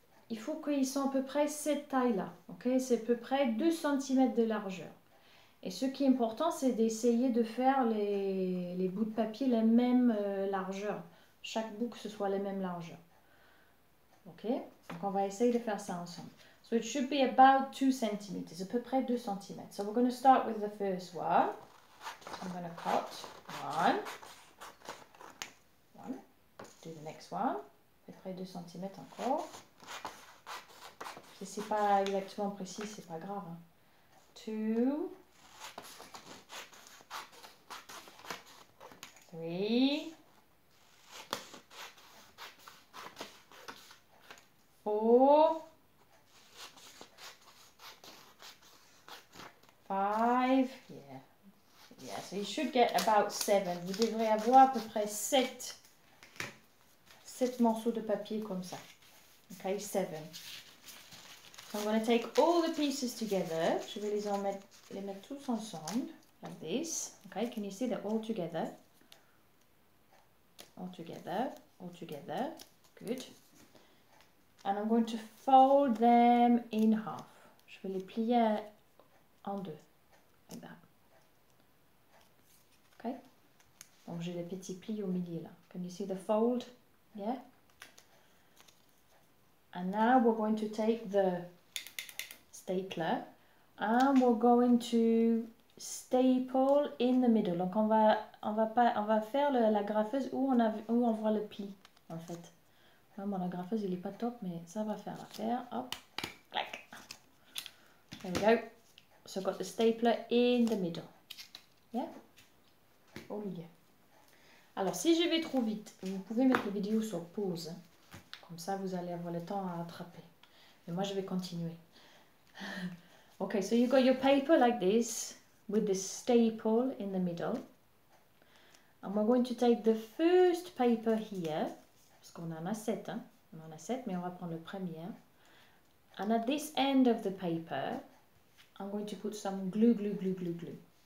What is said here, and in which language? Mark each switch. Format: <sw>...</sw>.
<fr>Il faut qu'ils soient à peu près cette taille-là. Okay, c'est à peu près 2 cm de largeur. Et ce qui est important, c'est d'essayer de faire les bouts de papier la même largeur. Chaque bout que ce soit la même largeur. Ok? Donc on va essayer de faire ça ensemble.</fr> <en>So it should be about 2 centimeters.</en> <fr>À peu près 2 centimètres.</fr> <en>So we're going to start with the first one. I'm going to cut. One. One. Do the next one.</en> <fr>À peu près 2 centimètres encore. Si c'est pas exactement précis, c'est pas grave.</fr> <en>Hein. Two. Three, four, five, yeah, so you should get about seven.</en> <fr>Vous devrez avoir à peu près sept morceaux de papier comme ça.</fr> <en>Okay, seven. So I'm going to take all the pieces together.</en> <fr>Je vais les mettre tous ensemble,</fr> <en>like this. Okay, can you see they're all together? All together, good. And I'm going to fold them in half.</en> <fr>Je vais les plier en deux,</fr> <en>like that. Okay?</en> <fr>Donc j'ai les petits plis au milieu là.</fr> <en>Can you see the fold? Yeah? And now we're going to take the stapler and we're going to staple in the middle.</en> <fr>Donc on va faire la graffeuse où on voit le pli en fait. Là, mon graffeuse il est pas top mais ça va faire l'affaire.</fr> <en>Hop, clac. There we go. So got the stapler in the middle. Yeah. Oh yeah.</en> <fr>Alors si je vais trop vite, vous pouvez mettre la vidéo sur pause. Comme ça vous allez avoir le temps à attraper. Mais moi je vais continuer.</fr> <en>Okay, so you got your paper like this. With the staple in the middle. And we're going to take the first paper here.</en> <fr>Parce qu'on en a sept, hein? On en a sept, mais on va prendre le premier.</fr> <en>And at this end of the paper, I'm going to put some glue, glue, glue, glue, glue.</en>